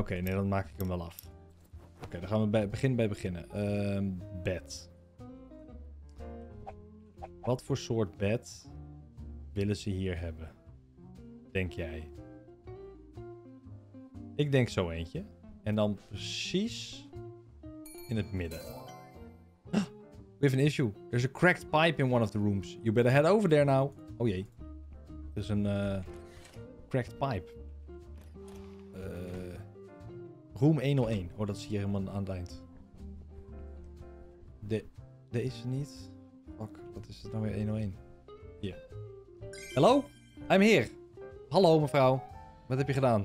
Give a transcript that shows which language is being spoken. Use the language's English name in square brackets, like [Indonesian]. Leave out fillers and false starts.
[Dutch] Okay. Nee, dan maak ik hem wel af. Oké, okay, dan gaan we beginnen. Bed. Wat voor soort bed willen ze hier hebben? Denk jij? Ik denk zo eentje. En dan precies in het midden. [English] We have an issue. There's a cracked pipe in one of the rooms. You better head over there now. [Dutch] Oh jee. [English] There's een cracked pipe. [Dutch] Room 101. Oh, dat is hier helemaal aan het eind. Deze niet. Fuck, wat is het nou weer 101? Hier. Hallo? [English] I'm here. [Dutch] Hallo, mevrouw. Wat heb je gedaan?